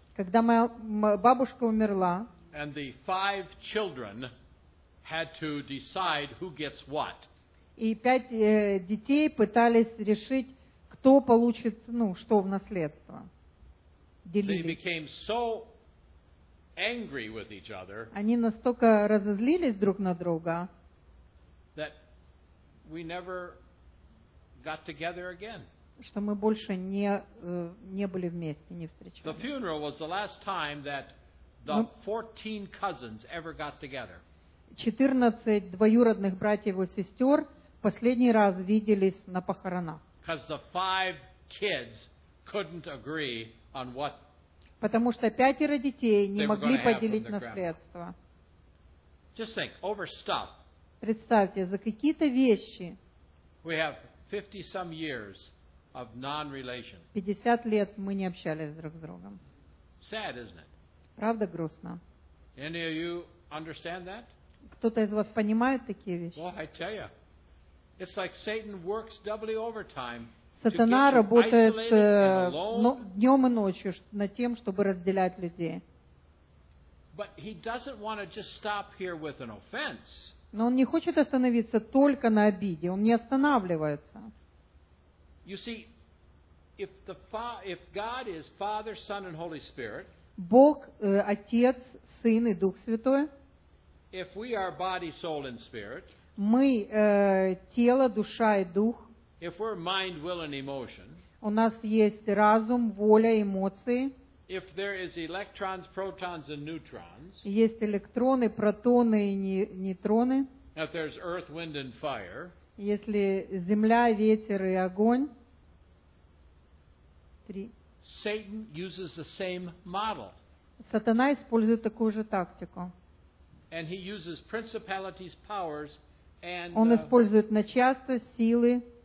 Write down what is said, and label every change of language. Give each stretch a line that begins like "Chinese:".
Russian: Когда моя бабушка умерла.
English: And the five children had to decide who gets what.
Russian: И пять детей пытались решить, кто получит, ну, что в наследство. Делились.
English: They became so angry with each other.
Russian: Они настолько разозлились друг на друга.
English: That we never got together again.
Russian: Что мы больше не были вместе, не встречались.
English: The funeral was the last time that the 14 cousins ever got together.
Russian: 14 двоюродных братьев и сестер последний раз виделись на похоронах.
English: Because the five kids couldn't agree on what.
Russian: Потому что пятеро детей не могли поделить наследство.
English: Just think, over stuff.
Russian: Представьте, за какие-то вещи.
English: We have 50 some years of non-relation.
Russian: 50 лет мы не общались друг с другом.
English: Sad, isn't it?
Russian: Правда грустно?
English: Any of you understand that?
Russian: Кто-то из вас понимает такие вещи?
English: Well, I tell you, it's like Satan works doubly overtime.
Russian: Сатана работает днем и ночью над тем, чтобы разделять людей.
English: But he doesn't want to just stop here with an offense.
Russian: Но он не хочет остановиться только на обиде. Он не останавливается.
English: You see, if God is Father, Son, and Holy Spirit.
Russian: Бог Отец, Сын и Дух Святой.
English: If we are body, soul, and spirit.
Russian: Мы тело, душа и дух.
English: If we're mind, will, and emotion.
Russian: У нас есть разум, воля, эмоции.
English: If there is electrons, protons, and neutrons.
Russian: Есть электроны, протоны и нейтроны.
English: If there's earth, wind, and fire.
Russian: Если земля, ветер и огонь. Три.
English: Satan uses the same model.
Russian: Сатана использует такую же тактику.
English: And he uses principalities, powers, and.
Russian: Он использует начальство, силы.